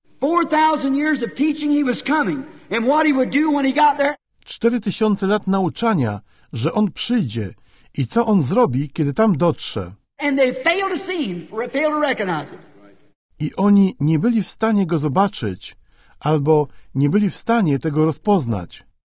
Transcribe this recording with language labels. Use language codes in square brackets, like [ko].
[en] 4,000 years of teaching he was coming and what he would do when he got there. [pl] 4,000 lat nauczania, że on przyjdzie i co on zrobi, kiedy tam dotrze. [en] And they failed to see him, or failed to recognize him. [pl] I oni nie byli w stanie go zobaczyć, albo nie byli w stanie tego rozpoznać.